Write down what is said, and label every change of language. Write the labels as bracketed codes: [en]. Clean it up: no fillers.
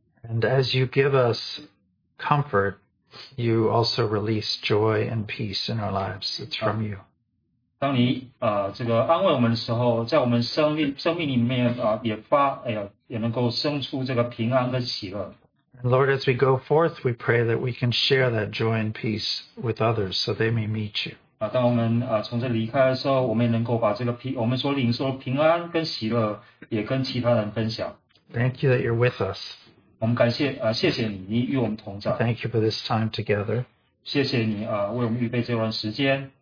[en] And as you give us comfort, you also release joy and peace in our lives. It's from you. [zh] 当你这个安慰我们的时候，在我们生命里面也能够生出这个平安跟喜乐。 [en] Lord, as we go forth, we pray that we can share that joy and peace with others so they may meet you. [zh] 当我们从这离开的时候，我们也能够把这个我们所领受的平安跟喜乐也跟其他人分享。 [en] Thank you that you're with us. [zh] 我们感谢谢谢你，你与我们同在。 [en] Thank you for this time together. [zh] 谢谢你为我们预备这段时间。